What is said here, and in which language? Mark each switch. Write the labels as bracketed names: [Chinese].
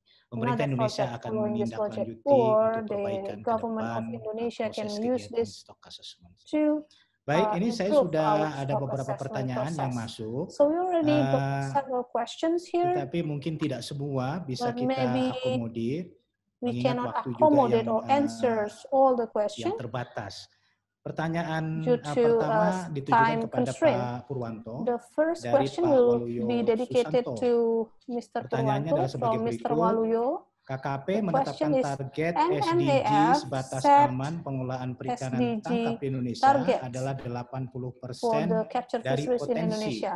[Indonesian] pemerintah Indonesia akan menindaklanjuti untuk perbaikan kedepan proses kegiatan stok assessment. Baik, ini saya sudah ada beberapa pertanyaan yang masuk. [English] So we already got several questions here. [Indonesian] Tetapi mungkin tidak semua bisa kita akomodir. [English] We cannot accommodate or answer all the questions. [Indonesian] Yang terbatas. Pertanyaan pertama ditujukan kepada Pak Purwanto. [English] The first question will be dedicated to Mr. Purwanto from Mr. Waluyo. [Indonesian] KKP menetapkan target SDGs batas aman pengelolaan perikanan tangkap Indonesia adalah 80% dari potensi.